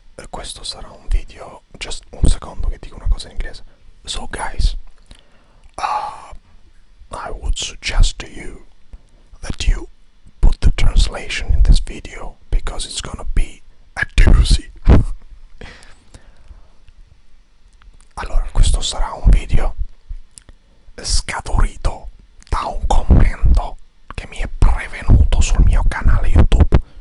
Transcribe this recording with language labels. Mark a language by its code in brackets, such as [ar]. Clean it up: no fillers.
[it] Questo sarà un video, just un secondo che dico una cosa in inglese. [en] So guys, I would suggest to you that you put the translation in this video because it's gonna be a doozy. [it] Allora, questo sarà un video scaturito da un commento che mi è pervenuto sul mio canale YouTube.